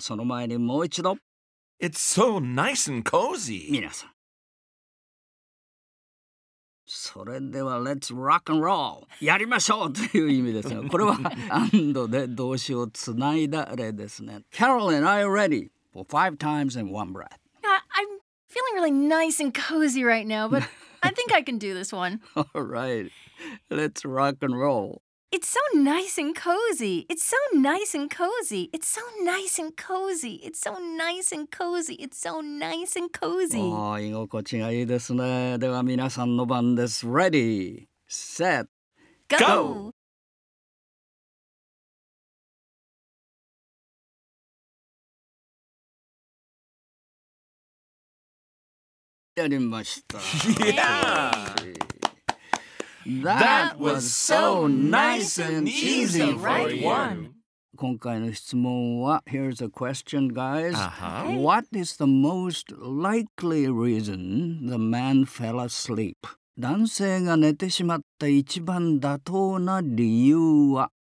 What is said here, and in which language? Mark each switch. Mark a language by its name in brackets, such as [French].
[Japanese] その前にもう一度。 [English] It's so nice and cozy. [Japanese] 皆さん。それでは [English] Let's rock and roll! [Japanese] やりましょうという意味ですが、これはアンドで動詞をつないだ例ですね。 [English] Carolyn, are you ready? For five times in one breath. I'm feeling really nice and cozy right now, but I think I can do this one. Alright, let's rock and roll. It's so nice and cozy. It's so nice and cozy. It's so nice and cozy. It's so nice and cozy. It's so nice and cozy. [Japanese] おー、居心地がいいですね。では皆さんの番です。 [English] Ready, set, go! [Japanese] やりました。 [English] Yeah! That was so nice and easy for you. [Japanese] 今回の質問は、 [English] Here's a question, guys.、 Uh-huh. What is the most likely reason the man fell asleep? [Japanese] 男性が寝てしまった一番妥当な理由は?